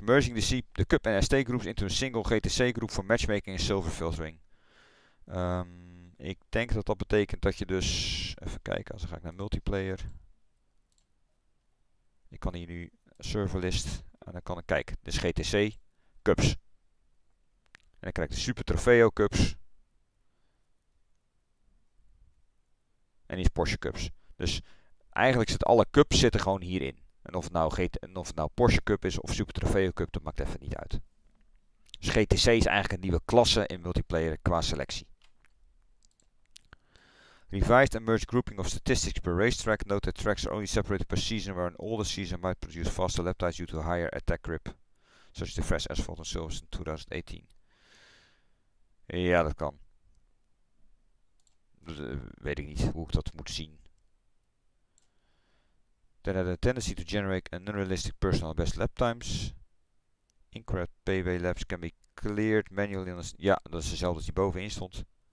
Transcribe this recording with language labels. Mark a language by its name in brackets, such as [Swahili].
[English] Merging the Cup and ST groups into a single GTC group for matchmaking and silver filtering. [Dutch] Ik denk dat dat betekent dat je dus... Even kijken, als dan ga ik naar multiplayer. Ik kan hier nu serverlist. En dan kan ik kijken. Dus GTC cups. En dan krijg ik de Super Trofeo cups. En die is Porsche cups. Dus eigenlijk zitten alle cups zitten gewoon hierin. En of het nou, Porsche Cup is of Super Trofeo Cup, dat maakt even niet uit. Dus GTC is eigenlijk een nieuwe klasse in multiplayer qua selectie. [English] Revised and merged grouping of statistics per racetrack. Note that tracks are only separated per season, where an older season might produce faster lap times due to higher attack grip. Such as the fresh asphalt and surface in 2018. [Dutch] Ja, dat kan. Weet ik niet hoe ik dat moet zien. [English] That had a tendency to generate an unrealistic personal best lap times. Incorrect PB laps can be cleared manually. [Dutch] Ja, dat is dezelfde als die bovenin stond.